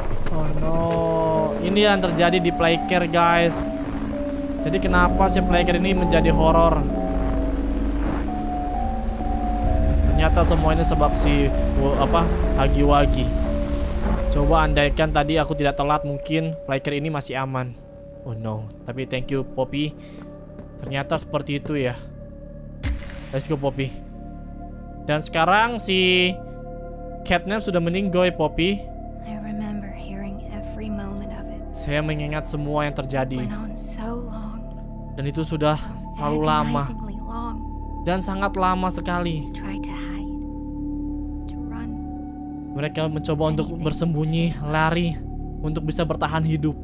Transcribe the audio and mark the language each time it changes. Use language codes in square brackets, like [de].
[en] Oh no, [id] ini yang terjadi di Playcare guys. Jadi kenapa si Playcare ini menjadi horror? Ternyata semua ini sebab si apa Hagiwagi. Coba andaikan tadi aku tidak telat, mungkin Playcare ini masih aman. [en] Oh no, [id] tapi [en] thank you Poppy. [id] Ternyata seperti itu ya. [en] Let's go [id] Poppy. Dan sekarang si Catnap sudah meninggal Poppy. [en] I remember hearing every moment of it. [id] Saya mengingat semua yang terjadi. [en] Went on so long. [id] Dan itu sudah [en] so [id] terlalu lama. Dan sangat lama sekali. [en] Try to hide. To run. [id] Mereka mencoba anything untuk bersembunyi, lari untuk bisa bertahan hidup.